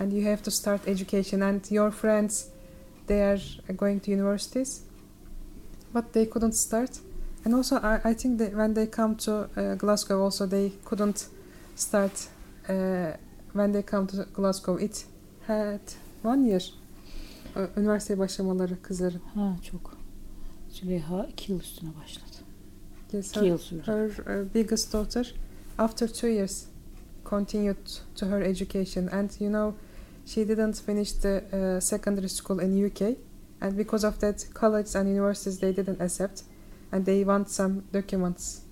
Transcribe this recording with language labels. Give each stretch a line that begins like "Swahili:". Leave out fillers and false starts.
English: and you have to start education, and your friends, they are going to universities, but they couldn't start. And also, I think that when they come to Glasgow, also they couldn't start when they come to Glasgow. It had 1 year.
Turkish: Üniversiteye başlamaları kızların. Ha, çok. Züleyha 2 yıl üstüne başladı.
English: Yes, her biggest daughter, after 2 years, continued to her education. And, you know, she didn't finish the secondary school in UK. And because of that, colleges and universities, they didn't accept. And they want some documents.